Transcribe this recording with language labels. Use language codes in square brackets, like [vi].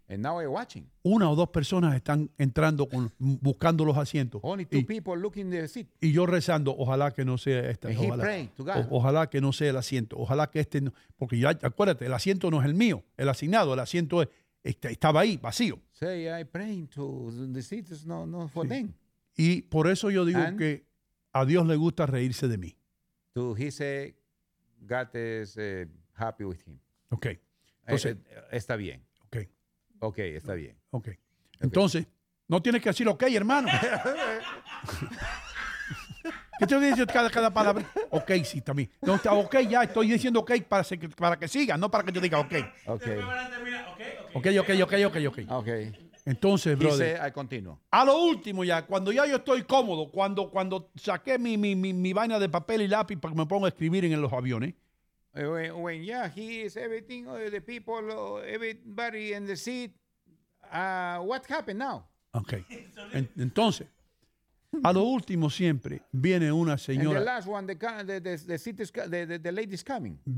[en] and now I'm watching. [es] Una o dos personas están entrando buscando los asientos. [en] Only two people looking the seat. [es] Y yo rezando, ojalá que no sea esta. Ojalá que no sea el asiento. Ojalá que este no, porque ya acuérdate, el asiento no es el mío, el asignado, el asiento es estaba ahí, vacío. [en] Say I praying to the seat is not for sí. Them. [es] Y por eso yo digo and que a Dios le gusta reírse de mí. [en] To he say God is happy with him. Okay. [es] Entonces, está bien. Okay. Okay, está bien. Okay. Entonces, no tienes que decir okay, hermano. ¿Qué te dice cada palabra? Okay, sí, también. No está okay, ya estoy diciendo okay para que siga, no para que yo diga okay. Okay. Okay. Entonces, brother. Dice, I continuo. A lo último ya, cuando ya yo estoy cómodo, cuando saqué mi vaina de papel y lápiz para que me ponga a escribir en los aviones. [en] When yeah, he is everything, the people, everybody in the seat. What happened now? Okay. [es] Entonces, a lo último siempre viene una señora. [en] And the last one, the seat is the lady's coming.